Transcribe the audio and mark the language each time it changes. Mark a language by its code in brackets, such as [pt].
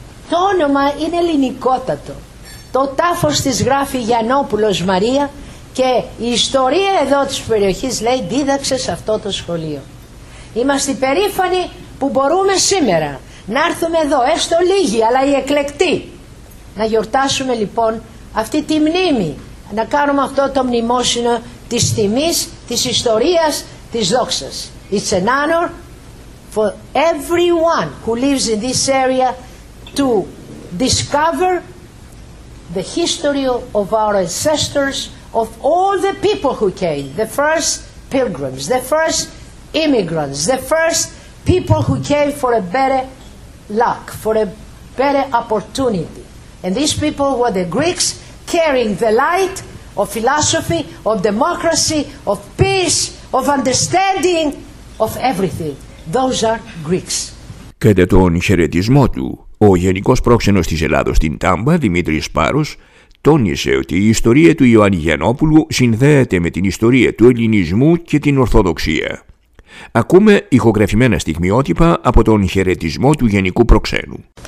[el] Το όνομα είναι ελληνικότατο. Το τάφος της γράφει Γιαννόπουλος Μαρία και η ιστορία εδώ της περιοχής λέει δίδαξε σε αυτό το σχολείο. Είμαστε περήφανοι που μπορούμε σήμερα να έρθουμε εδώ, έστω λίγοι, αλλά οι εκλεκτοί, να γιορτάσουμε λοιπόν αυτή τη μνήμη, να κάνουμε αυτό το μνημόσυνο της τιμής, της ιστορίας, της δόξας. [en] It's an honor for everyone who lives in this area to discover the history of our ancestors, of all the people who came, the first pilgrims, the first immigrants, the first people who came for a better luck, for a better opportunity. And these people were the Greeks carrying the light of philosophy, of democracy, of peace, of understanding, of everything. Those are Greeks.» [el] Κατά τον χαιρετισμό του, ο Γενικός Πρόξενος της Ελλάδος στην Τάμπα, Δημήτρης Σπάρος, τόνισε ότι η ιστορία του Ιωάννη Γιαννόπουλου συνδέεται με την ιστορία του ελληνισμού και την Ορθοδοξία. Ακούμε ηχογραφημένα στιγμιότυπα από τον χαιρετισμό του Γενικού Προξένου.